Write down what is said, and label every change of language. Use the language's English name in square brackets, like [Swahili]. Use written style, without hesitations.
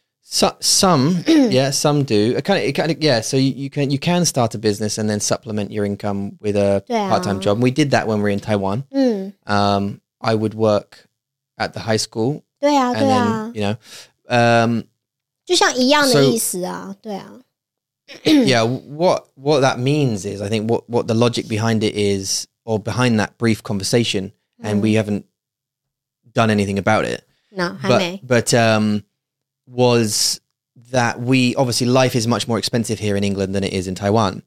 [English] some yeah some do kind of yeah so you can start a business and then supplement your income with a part-time job we did that when we were in Taiwan I would work at the high school [Chinese] 对啊对啊 [English] you know [Chinese] 就像一样的意思啊对啊 [English] yeah what that means is I think what the logic behind it is or behind that brief conversation and we haven't done anything about it no but was that we obviously life is much more expensive here in England than it is in Taiwan.